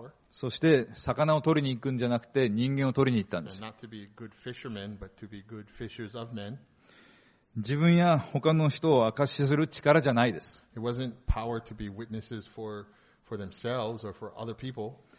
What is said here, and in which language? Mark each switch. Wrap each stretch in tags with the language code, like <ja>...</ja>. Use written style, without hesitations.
<ja>そして、魚を取りに行くんじゃなくて、人間を取りに行ったんです。</ja> <en>Not to be good fishermen, but to be good fishers of men.</en> <ja>自分や他の人を証しする力じゃないです。</ja> <en>It wasn't power to be witnesses for themselves or for other people.</en>